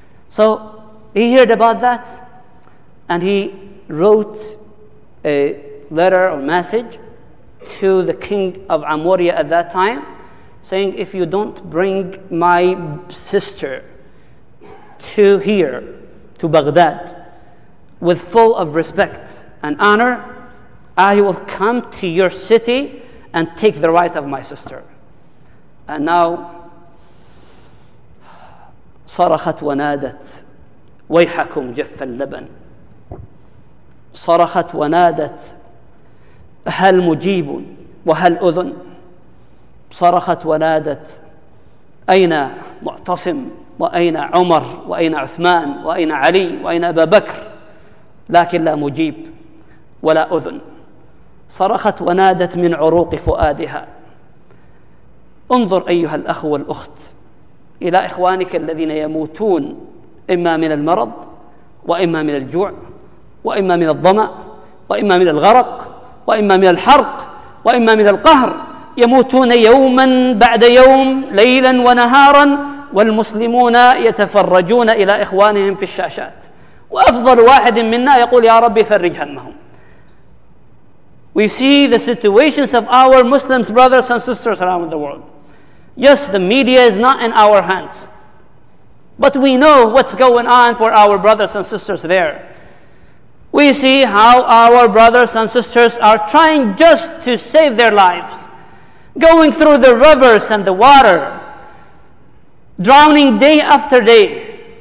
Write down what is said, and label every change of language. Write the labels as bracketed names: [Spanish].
[English] So he heard about that, and he wrote a letter or message to the king of Amuria at that time, saying, if you don't bring my sister to here, to Baghdad, with full of respect and honor, I will come to your city and take the right of my sister. And now, [Arabic] صرخت ونادت ويحكم جف اللبن صرخت ونادت هل مجيب وهل أذن صرخت ونادت أين معتصم وأين عمر وأين عثمان وأين علي وأين أبا بكر لكن لا مجيب ولا أذن صرخت ونادت من عروق فؤادها انظر أيها الأخ والأخت إلى إخوانك الذين يموتون إما من المرض وإما من الجوع وإما من الظمأ وإما من الغرق وإما من الحرق وإما من القهر يموتون يوما بعد يوم ليلا ونهارا والمسلمون يتفرجون إلى إخوانهم في الشاشات وأفضل واحد منا يقول يا ربي فرج همهم. [English] We see the situations of our Muslims, brothers and sisters around the world. Yes, the media is not in our hands, but we know what's going on for our brothers and sisters there. We see how our brothers and sisters are trying just to save their lives, going through the rivers and the water, drowning day after day.